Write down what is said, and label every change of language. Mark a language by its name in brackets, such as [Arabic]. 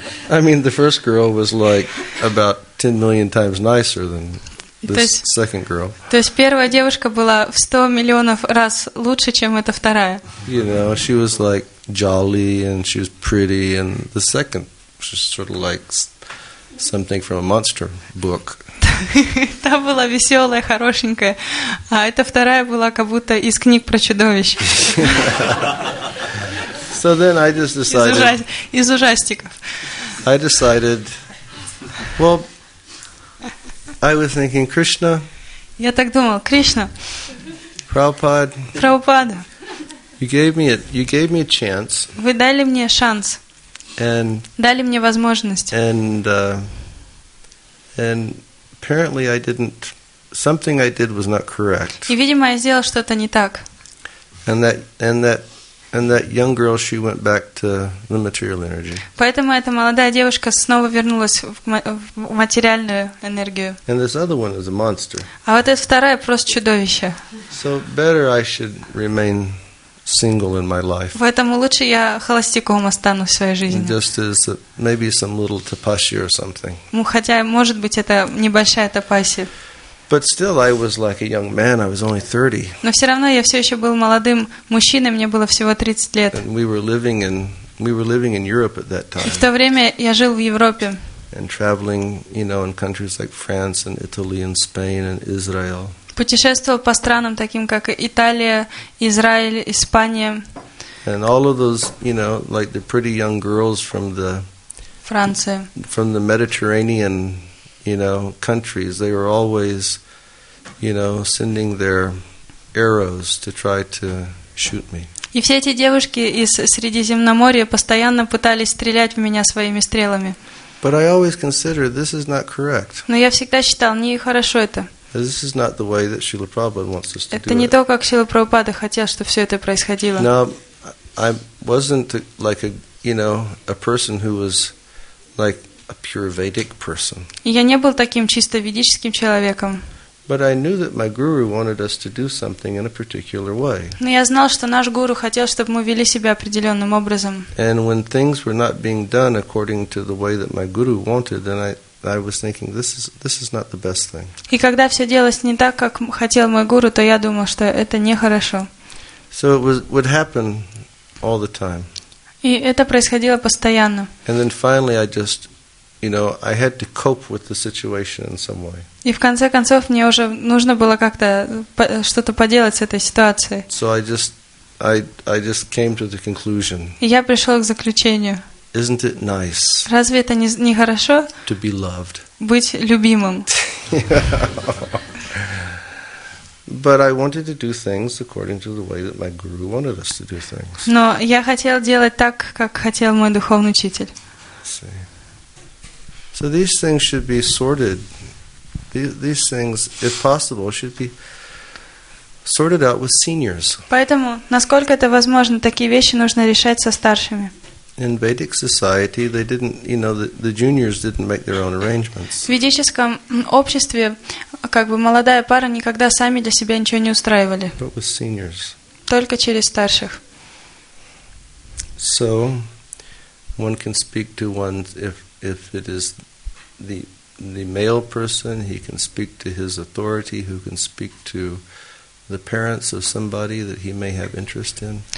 [English] I mean, the first girl was like about 10 million times nicer than this second girl. [Russian] То есть первая девушка была в 100 миллионов раз лучше, чем эта вторая. [English] You know, she was like jolly and she was pretty, and the second was sort of like something from a monster book. [Russian] Та была веселая, хорошенькая. А эта вторая была как будто из книг про чудовищ. [English] So then I just decided. [Russian] Из ужастиков. [English] I decided. Well, I was thinking Krishna. [Russian] Я так думал, Кришна. Прабхупада. [English] You gave me a chance. [Russian] Вы дали мне шанс. [English] And [Russian] дали мне возможность. [English] And apparently I didn't. Something I did was not correct. [Russian] И видимо я сделал что-то не так. [English] And that young girl, she went back to the material energy. [Russian] Поэтому эта молодая девушка снова вернулась в материальную энергию. [English] And this other one is a monster. [Russian] А вот эта вторая просто чудовище. [English] So better I should remain single in my life. [Russian] Поэтому лучше я холостяком останусь в своей жизни. [English] Just as maybe some little tapasya or something. [Russian] Ну хотя может быть это небольшая тапасья. [English] But still, I was like a young man. I was only 30. [Russian] Но все равно я все еще был молодым мужчиной. Мне было всего 30 лет. [English] And we were living in Europe at that time. [Russian] В то время я жил в Европе. [English] And traveling, you know, in countries like France and Italy and Spain and Israel. [Russian] Путешествовал по странам таким как Италия, Израиль, Испания. [English] And all of those, you know, like the pretty young girls from the [Russian] Франция. [English] From the Mediterranean. You know, countries, they were always, you know, sending their arrows to try to shoot me. [Russian] И все эти девушки из Средиземноморья постоянно пытались стрелять в меня своими стрелами. [English] But I always considered this is not correct. [Russian] Но я всегда считал, не хорошо это. [English] This is not the way that Srila Prabhupada wants us to do it. [Russian] Это не то, как Шрила Прабхупада хотел, чтобы все это происходило. [English] Now, I wasn't like a, you know, a person who was like a pure Vedic person. [Russian] Я не был таким чисто ведическим человеком. [English] But I knew that my guru wanted us to do something in a particular way. [Russian] Но я знал, что наш гуру хотел, чтобы мы вели себя определенным образом. [English] And when things were not being done according to the way that my guru wanted, then I was thinking this is not the best thing. [Russian] И когда все делалось не так, как хотел мой гуру, то я думал, что это нехорошо. [English] So it would happen all the time. [Russian] И это происходило постоянно. [English] And then finally I just, you know, I had to cope with the situation in some way. [Russian] И в конце концов мне уже нужно было как-то что-то поделать с этой ситуацией. [English] So I just came to the conclusion. [Russian] И я пришел к заключению. [English] Isn't it nice? [Russian] Разве это не хорошо? [English] To be loved. [Russian] Быть любимым. [English] But I wanted to do things according to the way that my guru wanted us to do things. [Russian] Но я хотел делать так, как хотел мой духовный учитель. [English] So these things should be sorted. These things, if possible, should be sorted out with seniors. [Russian] Поэтому, насколько это возможно, такие вещи нужно решать со старшими. [English] In Vedic society, they didn't, you know, the juniors didn't make their own arrangements. [Russian] В ведическом обществе, как бы молодая пара никогда сами для себя ничего не устраивали. [English] But with seniors. [Russian] Только через старших. [English] So one can speak to one if it is the male person, he can speak to his authority, who can speak to the parents of somebody that he may have interest in.